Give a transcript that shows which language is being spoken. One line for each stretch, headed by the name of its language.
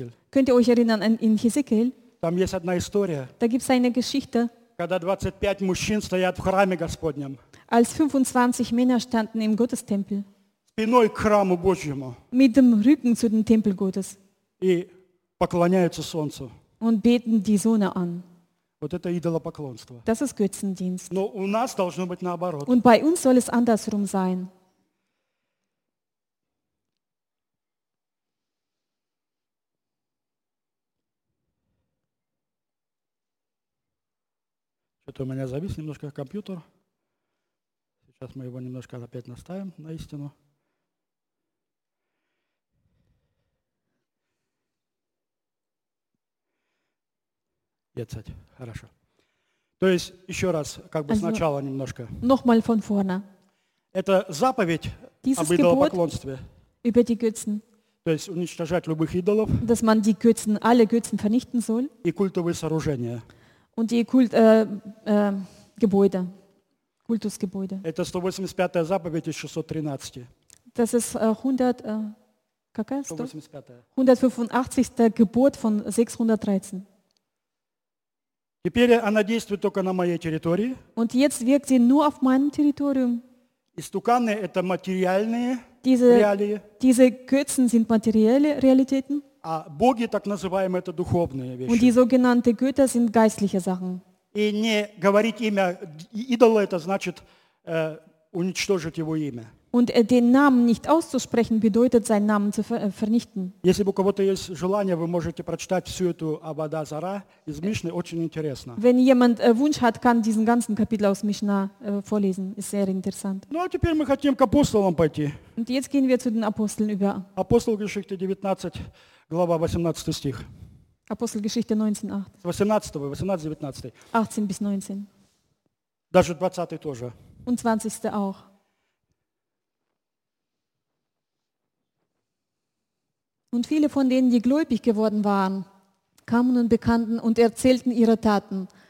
German: Könnt ihr euch erinnern an in Hesekiel?
Russian: Там есть одна история.
German: Da gibt's eine Geschichte.
Russian: Когда 25 мужчин стоят в храме Господнем.
German: Als 25 Männer standen im Gottestempel.
Russian: Спиной к храму Божьему.
German: Mit dem Rücken zu dem Tempel Gottes.
Russian: И поклоняются солнцу.
German: Und beten die Sonne an.
Russian: Вот это идолопоклонство.
German: Das ist Götzendienst.
Russian: Но у нас должно быть наоборот.
German: Und bei uns soll es andersrum sein.
Russian: Это у меня завис немножко компьютер. Сейчас мы его немножко опять наставим на истину. Jetzt, хорошо. То есть, еще раз, как бы сначала немножко.
German: Noch mal von vorne.
Russian: Это заповедь об идолопоклонстве.
German: Über die Götzen.
Russian: То есть уничтожать любых идолов.
German: Dass man die Götzen, alle Götzen vernichten soll.
Russian: И культовые сооружения.
German: Und die Gebäude, Kultusgebäude.
Russian: Это 185-я заповедь из 613.
German: Das ist 185-е Gebot von 613.
Russian: Теперь она действует только на моей территории.
German: Und jetzt wirkt sie nur auf meinem Territorium.
Russian: Истуканы – это материальные реалии.
German: Diese Götzen sind materielle Realitäten.
Russian: А боги, так называемые, это духовные вещи.
German: Und die sogenannten Götter sind geistliche Sachen.
Russian: И не говорить имя идола, это значит уничтожить его имя.
German: Und den Namen nicht auszusprechen, bedeutet, seinen Namen zu vernichten.
Russian: Если у кого-то есть желание, вы можете прочитать всю эту Абадазара из Мишны, очень интересно.
German: Wenn jemand Wunsch hat, kann diesen ganzen Kapitel aus Мишна vorlesen. Ist sehr interessant.
Russian: Ну, а теперь мы хотим к апостолам пойти.
German: Und jetzt gehen wir zu den Aposteln über.
Russian: Апостолгеschichte 19, глава 18 стих.
German: Апостолгеschichte 19:8.
Russian: 18-19.
German: 18 bis 19.
Russian: Даже 20 тоже.
German: Und 20 auch. Und viele von denen, die gläubig geworden waren, kamen und bekannten und erzählten ihre Taten.